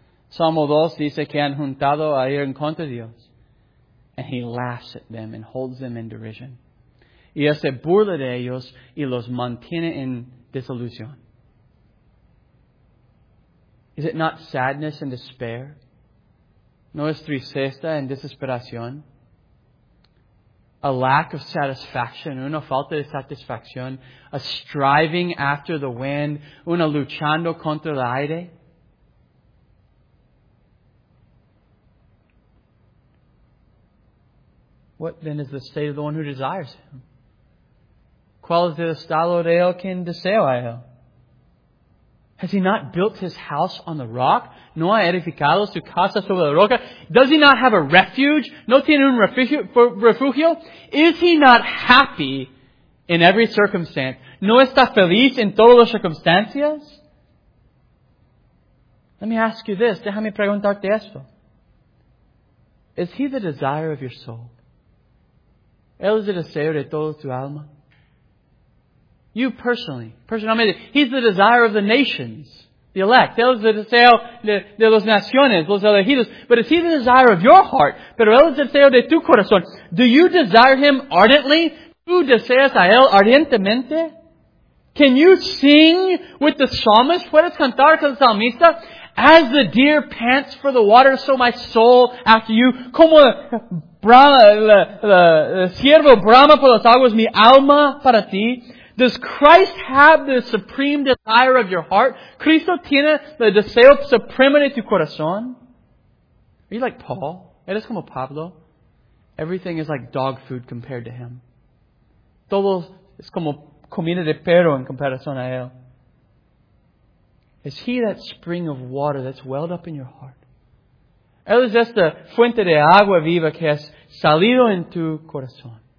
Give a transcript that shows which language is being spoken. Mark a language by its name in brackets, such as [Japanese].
[Spanish] Psalm 2 dice que han juntado a ir en contra de Dios. [English] And He laughs at them and holds them in derision. [Spanish] Y él se burla de ellos y los mantiene en desilusión. [English] Is it not sadness and despair? [Spanish] ¿No es tristeza y desesperación? [English] A lack of satisfaction, [Spanish] una falta de satisfacción, [English] a striving after the wind, [Spanish] una luchando contra el aire. [English] What then is the state of the one who desires Him? [Spanish] ¿Cuál es el estado de él quien desea a él? [English] Has He not built His house on the rock? [Spanish] ¿No ha edificado su casa sobre la roca? [English] Does He not have a refuge? [Spanish] ¿No tiene un refugio? [English] Is He not happy in every circumstance? [Spanish] ¿No está feliz en todas las circunstancias? [English] Let me ask you this. [Spanish] Déjame preguntarte esto. [English] Is He the desire of your soul? [Spanish] ¿Él es el deseo de toda tu alma? [English] You personally, He's the desire of the nations, the elect. [Spanish] Él es el deseo de los naciones, los elegidos. [English] But is He the desire of your heart? [Spanish] Pero él es el deseo de tu corazón. [English] Do you desire Him ardently? [Spanish] ¿Tú deseas a él ardientemente? [English] Can you sing with the psalmist? [Spanish] ¿Puedes cantar con el salmista? [English] As the deer pants for the water, so my soul after you. [Spanish] Como el siervo brama por las aguas, mi alma para ti. [English] Does Christ have the supreme desire of your heart? [Spanish] Cristo tiene el deseo supremo de tu corazón? [English] Are you like Paul? [Spanish] Eres como Pablo? [English] Everything is like dog food compared to him. [Spanish] Todo es como comida de perro en comparación a él. [English] Is he that spring of water that's welled up in your heart? [Spanish] Él es esta fuente de agua viva que has salido en tu corazón.